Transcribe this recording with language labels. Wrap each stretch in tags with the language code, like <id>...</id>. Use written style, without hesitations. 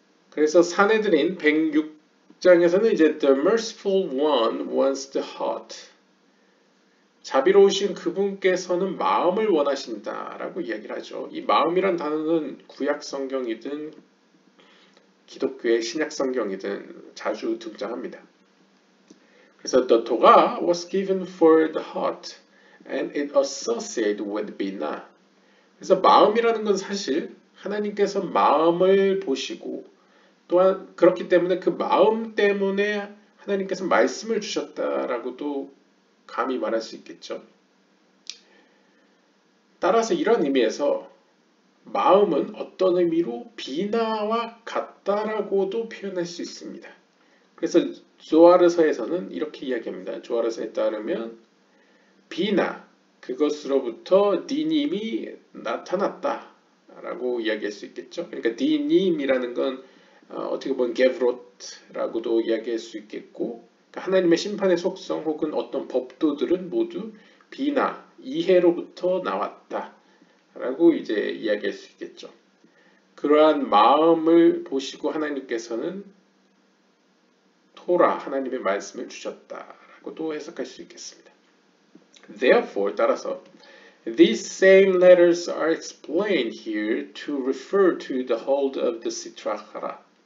<ko>그래서 산헤드린 106장에서는 이제</ko> <en>The merciful one wants the heart.</en> <ko>자비로우신 그분께서는 마음을 원하신다 라고 이야기를 하죠. 이 마음이란 단어는 구약 성경이든 기독교의 신약 성경이든 자주 등장합니다. 그래서</ko> <en>The Torah was given for the heart and it associated with Bina.</en> <ko>그래서 마음이라는 건 사실 하나님께서 마음을 보시고 또한 그렇기 때문에 그 마음 때문에 하나님께서 말씀을 주셨다라고도 감히 말할 수 있겠죠. 따라서 이런 의미에서 마음은 어떤 의미로 비나와 같다라고도 표현할 수 있습니다. 그래서 조아르서에서는 이렇게 이야기합니다. 조아르서에 따르면 비나 그것으로부터 디님이 나타났다라고 이야기할 수 있겠죠. 그러니까 디님이라는 건 어떻게 보면 게브롯라고도 이야기할 수 있겠고 그러니까 하나님의 심판의 속성 혹은 어떤 법도들은 모두 비나 이해로부터 나왔다. 라고 이제 이야기할 수 있겠죠. 그러한 마음을 보시고 하나님께서는 토라 하나님의 말씀을 주셨다라고도 해석할 수 있겠습니다.</ko> <en>Therefore,</en> <ko>따라서</ko> <en>These same letters are explained here to refer to the hold of the Sitrahara.</en>